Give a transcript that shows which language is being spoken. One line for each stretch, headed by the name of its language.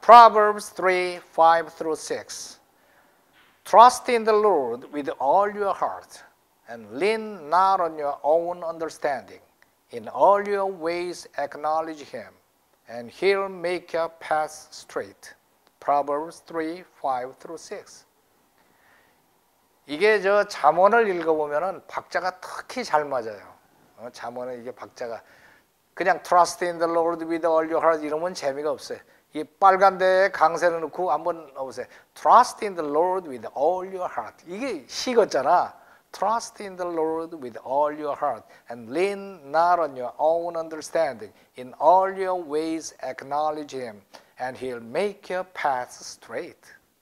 English: Proverbs 3, 5 through 6. Trust in the Lord with all your heart and lean not on your own understanding. In all your ways acknowledge him and he'll make your paths straight. Proverbs 3, 5 through 6.
Korean: 이게 저 잠언을 읽어보면은 박자가 특히 잘 맞아요. 잠언에 이게 박자가 그냥
English: Trust in the Lord with all your heart
Korean: 이러면 재미가 없어요. 이 빨간 데에 강세를 넣고 한번 넣어보세요.
English: Trust in the Lord with all your heart.
Korean: 이게 식었잖아.
English: Trust in the Lord with all your heart and lean not on your own understanding. In all your ways acknowledge him and he'll make your path straight.